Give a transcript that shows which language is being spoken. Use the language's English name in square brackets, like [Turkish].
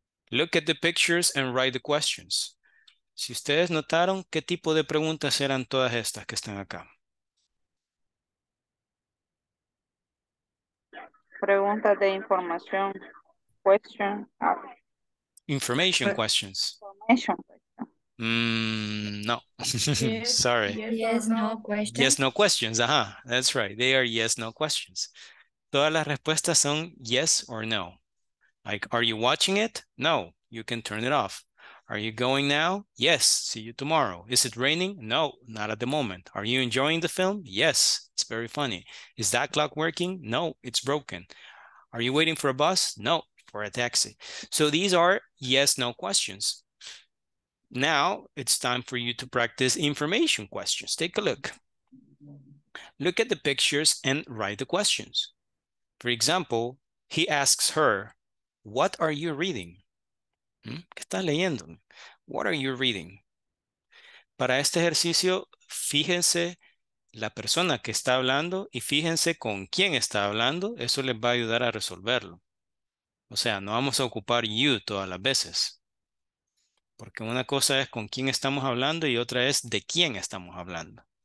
[English] Look at the pictures and write the questions. [Spanish] Si ustedes notaron, ¿qué tipo de preguntas eran todas estas que están acá? Preguntas de información. Question. [English] Information questions. Information. No, yes, sorry. Yes, no questions. Ajá, that's right. They are yes, no questions. [Spanish] Todas las respuestas son [English] yes or no. Like, are you watching it? No, you can turn it off. Are you going now? Yes, see you tomorrow. Is it raining? No, not at the moment. Are you enjoying the film? Yes, it's very funny. Is that clock working? No, it's broken. Are you waiting for a bus? No, for a taxi. So these are yes, no questions. Now it's time for you to practice information questions. Take a look. Look at the pictures and write the questions. For example, he asks her, what are you reading? [Spanish] ¿Qué estás leyendo? [English] What are you reading? [Spanish] Para este ejercicio, fíjense la persona que está hablando y fíjense con quién está hablando. Eso les va a ayudar a resolverlo. O sea, no vamos a ocupar you todas las veces. Porque una cosa es con quién estamos hablando y otra es de quién estamos hablando.